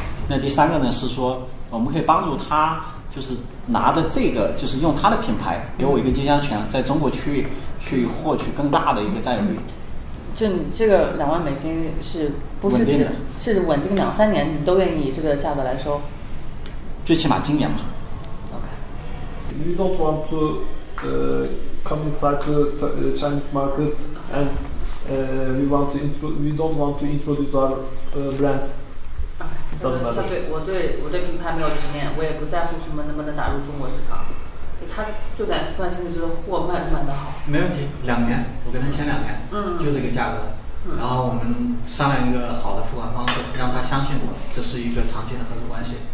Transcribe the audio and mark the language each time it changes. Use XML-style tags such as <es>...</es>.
<zh>那第三个呢是说我们可以帮助他，就是拿着这个，就是用他的品牌给我一个经销权，在中国区域去获取更大的一个占有率。就你这个20,000美金是不是是稳定2-3年你都愿意这个价格来收？最起码今年嘛。</zh> <en>OK. You don't want to come inside the Chinese market, and we don't want to introduce our brand. Doesn't matter.</en> <zh>我对品牌没有执念，我也不在乎什么能不能打入中国市场。他就在关心的就是货卖不卖得好。没问题，2年，我跟他签2年，就这个价格。然后我们商量一个好的付款方式，让他相信我，这是一个长期的合作关系。</zh>